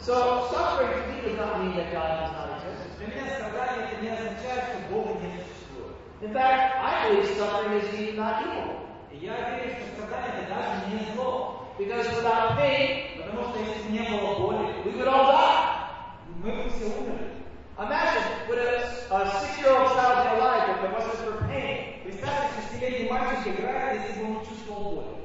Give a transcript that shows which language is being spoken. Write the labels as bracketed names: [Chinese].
[English] So suffering to me does not mean that God does not exist. [Russian] Для меня страдание не означает, что Бог не существует. [English] In fact, I believe suffering is even not evil. [Russian] Я верю, что страдание даже не зло. [English] Because without pain, [Russian] потому что если не было боли, [English] we would all die. [Russian] Мы бы все умерли. [English] Imagine, would a 6-year-old child be alive if it wasn't for pain? [Russian] Представьте, что 6-летний мальчик играет, если бы он чувствовал боль.